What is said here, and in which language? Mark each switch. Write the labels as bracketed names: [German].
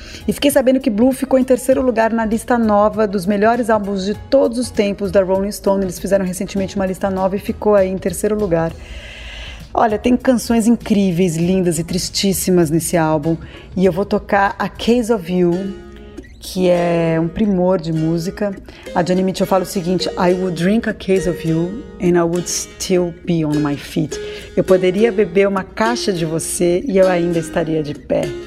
[Portuguese] E fiquei sabendo que Blue ficou em terceiro lugar na lista nova dos melhores álbuns de todos os tempos da Rolling Stone. Eles fizeram recentemente uma lista nova e ficou aí em terceiro lugar. Olha, tem canções incríveis, lindas e tristíssimas nesse álbum. E eu vou tocar A Case of You, que é um primor de música. A Joni Mitchell fala o seguinte: [English] I would drink a case of you and I would still be on my feet. [Portuguese] Eu poderia beber uma caixa de você e eu ainda estaria de pé.